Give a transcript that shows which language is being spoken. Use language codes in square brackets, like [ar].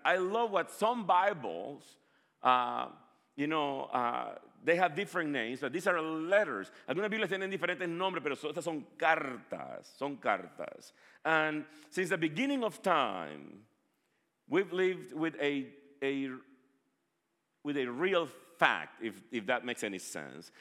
[en] I love what some Bibles, they have different names, but these are letters. [es] Algunas Biblias tienen diferentes nombres, pero estas son cartas. Son cartas. [en] And since the beginning of time, we've lived with a real fact, if that makes any sense.